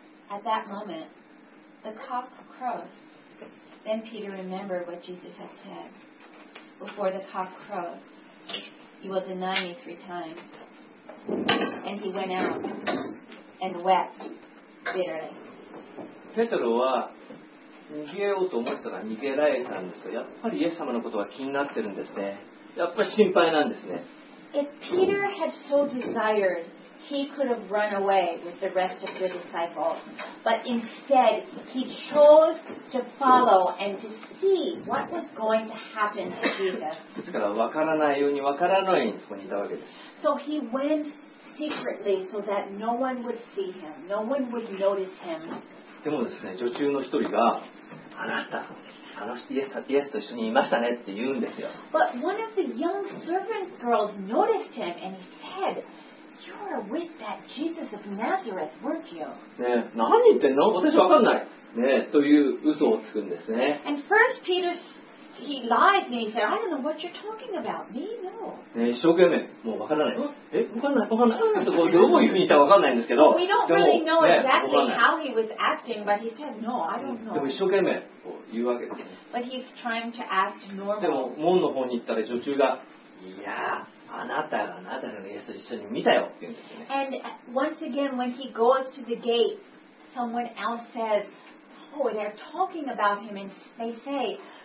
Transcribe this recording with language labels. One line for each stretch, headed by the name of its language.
English: At that moment, The cock crowed. Then Peter remembered what Jesus had said. Before the cock crowed, you will deny me three times. And he went out and wept bitterly.
Japanese: ペトロは逃げようと思ったら逃げられたんですが、やっぱりイエス様のことは気になってるんですね。やっぱり心配なんですね。
English: If Peter had so desired, he could have run away with the rest of the disciples. But instead, he chose to follow and to see what was going to happen to Jesus.
Japanese: ですから、わからないようにわからないようにそこにいたわけです。
English: So he went secretly so that no one would see him. No one would notice him.
Japanese: でもですね、女中の一人が、あなた、あの人、イエスと一緒にいましたねって言うんですよ。
English: But one of the young servant girls noticed him and said,You're with that Jesus of Nazareth, weren't you?
Japanese: ねえ、何言ってんの？私わかんない。ねえ、という嘘をつくんですね。
English: And first Peter, he lies and he said, I don't know what you're talking about. Me, no.
Japanese: ねえ、一生懸命、もうわからない。わかんない。とこどこ言ったかわかんないんですけど。
English: We don't really know exactly how he was acting, but he said, no, I don't know.
Japanese: でも一生懸命こう言うわけです。
English: But he's trying to act normal.
Japanese: でも門の方に行ったら女中が、いやあなたがあなたのイエスと一緒に見たよって言うんですね。
English: And once again, when he goes to the gate, someone else says, Oh, they're talking about him, and they say,